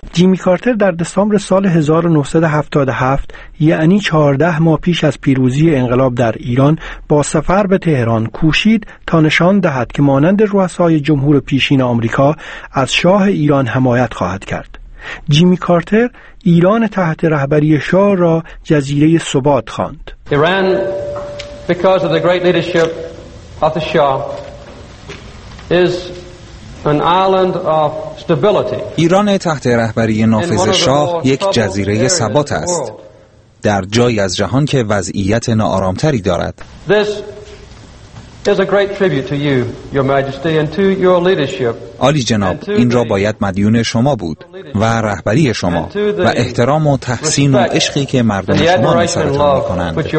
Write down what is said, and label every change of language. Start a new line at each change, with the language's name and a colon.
Persian: جیمی کارتر در دسامبر سال 1977، یعنی 14 ماه پیش از پیروزی انقلاب در ایران، با سفر به تهران کوشید تا نشان دهد که مانند رؤسای جمهور پیشین آمریکا از شاه ایران حمایت خواهد کرد. جیمی کارتر ایران تحت رهبری شاه را جزیره ثبات خواند.
English: ایران because of the great leadership of the Shah is an island of stability.
Persian: ایران تحت رهبری نافذ شاه یک جزیره ثبات است در جایی از جهان که وضعیت ناآرامتری دارد.
English: This is a great tribute to you, your majesty, and to your leadership.
Persian: عالی جناب، این را باید مدیون شما بود و رهبری شما و احترام و تحسین و عشقی که مردم شما نسبت به می‌کنند.